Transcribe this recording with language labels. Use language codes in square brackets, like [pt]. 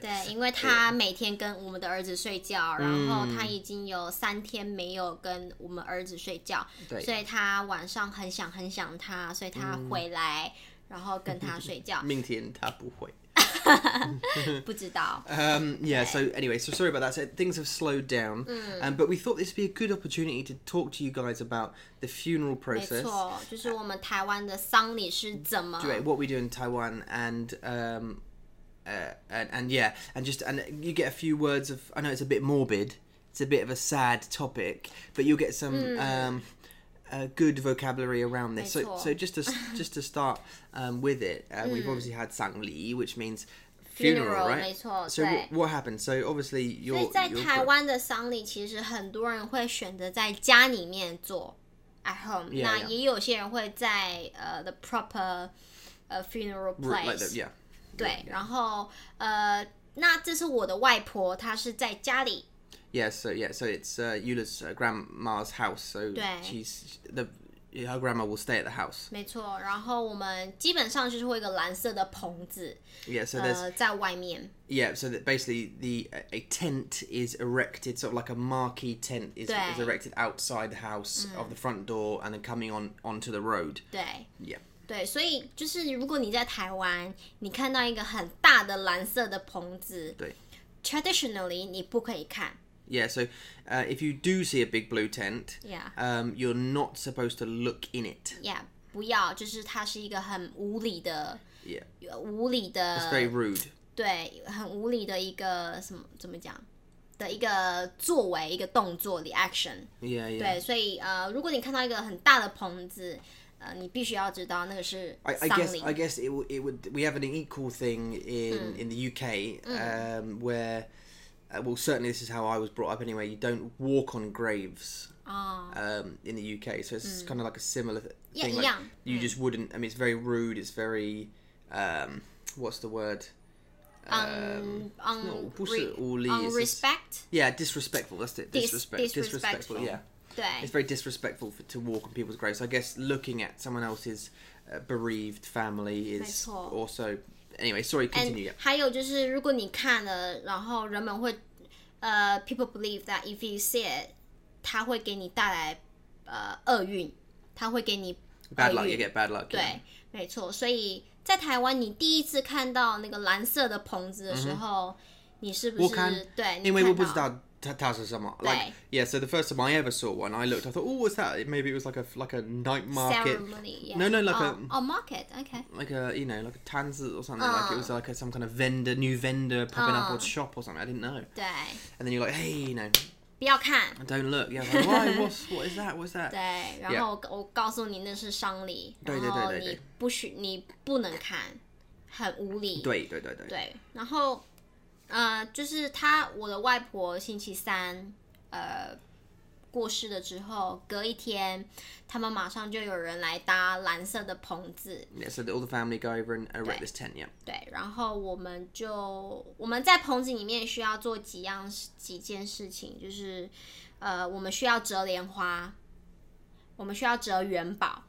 [zh] 对，因为她每天跟我们的儿子睡觉，然后她已经有3天没有跟我们儿子睡觉，对，所以她晚上很想他，所以她回来然后跟他睡觉。明天她不会。不知道。 [en] So anyway, so sorry about that. So things have slowed down. But we thought this would be a good opportunity to talk to you guys about the funeral process. [zh] 没错，就是我们台湾的丧礼是怎么。 [en] Right, what we do in Taiwan and you get a few words of. I know it's a bit morbid. It's a bit of a sad topic, but you'll get some good vocabulary around this. So just to start with it, we've obviously had 丧礼, which means funeral, right? [zh] 没错, [en] so what happened? So obviously your [zh] 所以在台湾的丧礼其实很多人会选择在家里面做 [en] at home. Yeah, [zh] 那也有些人会在 [en] the proper funeral place. Like the, yeah. [zh] 对, [en] yeah. [zh] 然后那这是我的外婆，她是在家里。 [en] So it's Eula's grandma's house. So her grandma will stay at the house. [zh] 没错，然后我们基本上就是会一个蓝色的棚子。 [en] Yeah, so there's [zh] 在外面。 [en] Yeah, so that basically a tent is erected, sort of like a marquee tent is erected outside the house of the front door and then coming onto the road. [zh] 对。 [en] Yeah. [zh] 对，所以就是如果你在台湾，你看到一个很大的蓝色的棚子，对，traditionally 你不可以看。 [en] Yeah, so if you do see a big blue tent, you're not supposed to look in it. Yeah, [zh] 不要，就是它是一个很无理的， [en] yeah. [zh] 无理的， [en] it's very rude. [zh] 对，很无理的一个什么怎么讲？的一个作为，一个动作的 [en] action。 Yeah, yeah. [zh] 对，所以如果你看到一个很大的棚子，你必须要知道那个是丧礼。 [en] I guess it would we have an equal thing in the UK where well certainly this is how I was brought up anyway. You don't walk on graves. In the UK, so it's kind of like a similar thing. Yeah, like, you just wouldn't. I mean, it's very rude. It's very what's the word? Unrespect. Yeah, disrespectful. That's it. Disrespectful. Yeah. It's very disrespectful to walk on people's graves. So I guess looking at someone else's bereaved family is also... Anyway, sorry, continue. And [zh] 还有就是如果你看了，然后人们会 [en] people believe that if you see it, [zh] 它会给你带来厄运，它会给你 [en] bad luck, you get bad luck. [zh] 对，没错。所以在台湾你第一次看到那个蓝色的棚子的时候，你是不是，对，因为我不知道它是什么。 [en] Like, yeah, so the first time I ever saw one, I looked, I thought, oh, what's that? Maybe it was like a night market. Ceremony, yeah. No, like a market, okay. Like a, you know, like a 摊子 or something. Like it was like some kind of vendor, new vendor popping up or shop or something. I didn't know. [zh] 对。 [en] And then you're like, hey, you know. [zh] 不要看。 [en] Don't look. Yeah, like, why? What is that? What's that? [zh] 对。然后我告诉你那是丧礼。对对对对对。你不能看。很无礼。对对对对。对。然后。就是他，我的外婆星期三，过世了之后，隔一天，他们马上就有人来搭蓝色的棚子。 [en] Yeah, so all the family go over and erect this tent. Yeah. [zh] 对，然后我们在棚子里面需要做几件事情，就是我们需要折莲花，我们需要折元宝。